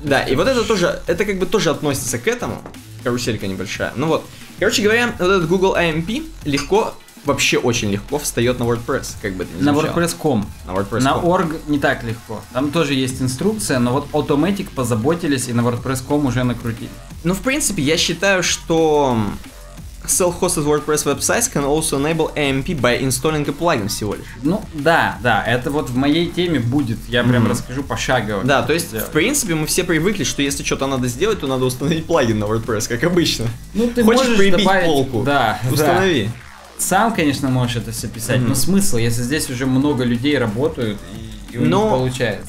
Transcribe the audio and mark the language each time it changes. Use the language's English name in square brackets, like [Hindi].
[Russian] Да, и вот это тоже, это как бы тоже относится к этому, каруселька небольшая. Ну вот, короче говоря, вот этот Google AMP легко, вообще очень легко встает на WordPress, как бы это ни звучало. На WordPress.com. На WordPress.com. На org не так легко, там тоже есть инструкция, но вот Automatic позаботились и на WordPress.com уже накрутить. Ну, в принципе, я считаю, что [English] self-hosted WordPress websites can also enable AMP by installing a plugin [Russian] всего лишь. Ну, да, да, это вот в моей теме будет, я прям расскажу пошагово. Да, то есть, в принципе, мы все привыкли, что если что-то надо сделать, то надо установить плагин на WordPress, как обычно. Ну, ты хочешь можешь прибить добавить полку? Да, установи. Да. Сам, конечно, можешь это все писать, но смысл, если здесь уже много людей работают и у них получается.